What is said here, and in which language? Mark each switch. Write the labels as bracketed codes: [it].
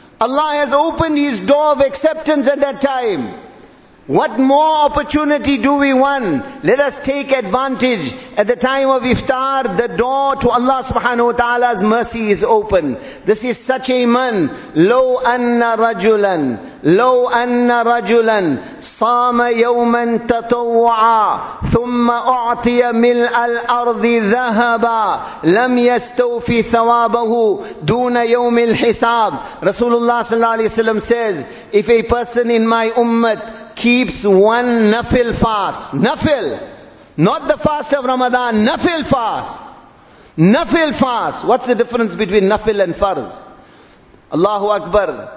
[en] Allah has opened His door of acceptance at that time. What more opportunity do we want? Let us take advantage. At the time of iftar, the door to Allah subhanahu wa ta'ala's mercy is open. This is such a month. [ar] Lo anna rajulan لو أن رجلا صام يوما تطوعا ثم أعطي ملء الأرض ذهبا لم يستوفي ثوابه دون يوم الحساب. [en] Rasulullah sallallahu alayhi wa sallam says, if a person in my ummah keeps one nafil fast, nafil, not the fast of Ramadan, nafil fast, nafil fast. What's the difference between nafil and farz? Allahu Akbar.